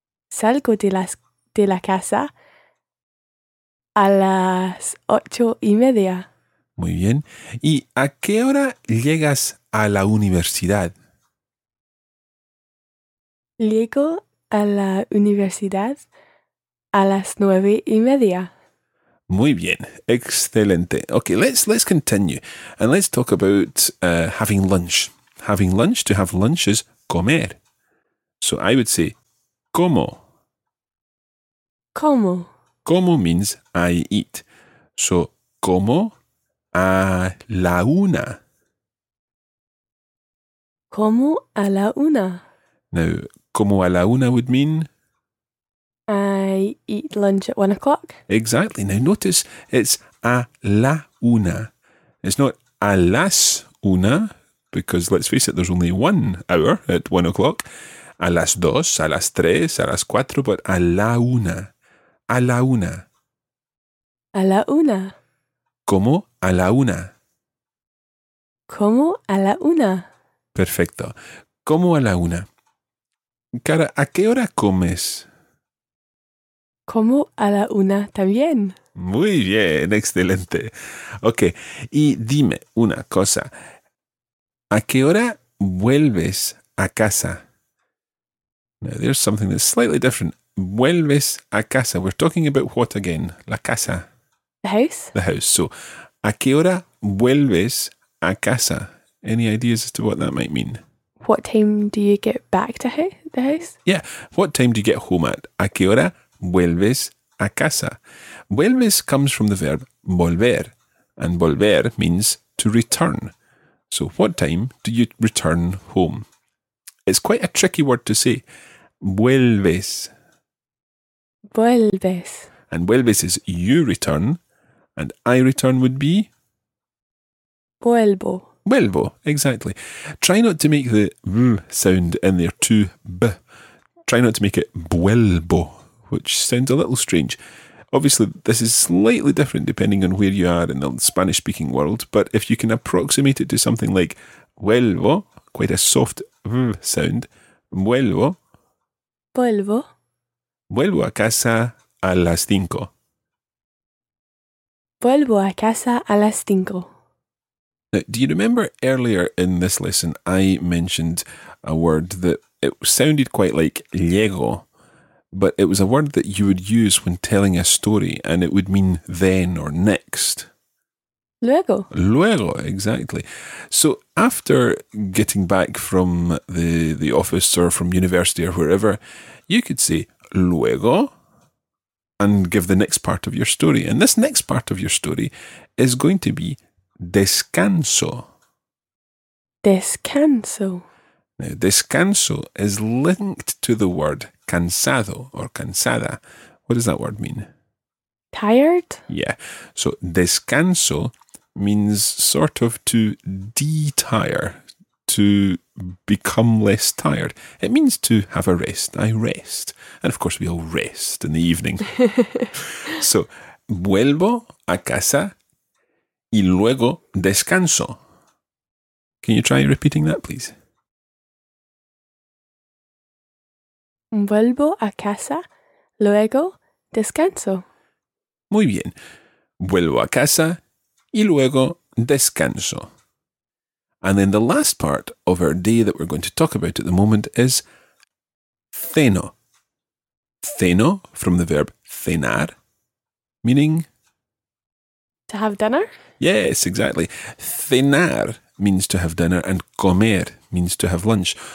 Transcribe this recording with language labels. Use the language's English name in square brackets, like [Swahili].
[Spanish] Salgo de la casa a las 8:30. Muy bien. ¿Y a qué hora llegas a la universidad? Llego a la universidad a las 9:30. Muy bien. Excelente. [English] Okay, let's continue. And let's talk about having lunch. Having lunch, to have lunch is comer. So I would say, como. [Spanish] Como. [English] Como means I eat. So, [Spanish] como a la una. Como a la una. [English] Now, [Spanish] como a la una [English] would mean? I eat lunch at 1 o'clock. Exactly. Now, notice it's [Spanish] a la una. [English] It's not [Spanish] a las una, [English] because let's face it, there's only 1 hour at 1 o'clock. [Spanish] A las dos, a las tres, a las cuatro, but a la una. A la una. A la una. Como a la una. Como a la una. Perfecto. Como a la una. Cara, ¿a qué hora comes? Como a la una también. Muy bien, excelente. Ok, y dime una cosa. ¿A qué hora vuelves a casa? [English] Now, there's something that's slightly different. [Spanish] Vuelves a casa. [English] We're talking about what again? [Spanish] La casa. [English] The house. The house. [Spanish] So, ¿a qué hora vuelves a casa? [English] Any ideas as to what that might mean? What time do you get back to the house? Yeah. What time do you get home at? [Spanish] ¿A qué hora vuelves a casa? [English] Vuelves comes from the verb volver. And volver means to return. So, what time do you return home? It's quite a tricky word to say. [Spanish] Vuelves. Vuelves. [English] And vuelves is you return, and I return would be? [Spanish] Vuelvo. Vuelvo, exactly. [English] Try not to make the v sound in there too b. Try not to make it vuelvo, which sounds a little strange. Obviously, this is slightly different depending on where you are in the Spanish-speaking world, but if you can approximate it to something like vuelvo, quite a soft v sound, vuelvo. [Spanish] Vuelvo. Vuelvo a casa a las cinco. Vuelvo a casa a las cinco. [English] Now, do you remember earlier in this lesson I mentioned a word that it sounded quite like llego, but it was a word that you would use when telling a story and it would mean then or next. [Spanish] Luego. Luego, exactly. [English] So after getting back from the office or from university or wherever, you could say luego and give the next part of your story. And this next part of your story is going to be descanso. [Spanish] Descanso. [English] Now, descanso is linked to the word cansado or cansada. What does that word mean? Tired? Yeah. So descanso means sort of to detire, to become less tired. It means to have a rest. I rest. And of course, we all rest in the evening. [Spanish] So, vuelvo a casa y luego descanso. [English] Can you try repeating that, please? [Spanish] Vuelvo a casa, luego descanso. Muy bien. Vuelvo a casa y luego descanso. [English] And then the last part of our day that we're going to talk about at the moment is ceno. Ceno, from the verb cenar, meaning? To have dinner? Yes, exactly. Cenar means to have dinner and comer means to have lunch.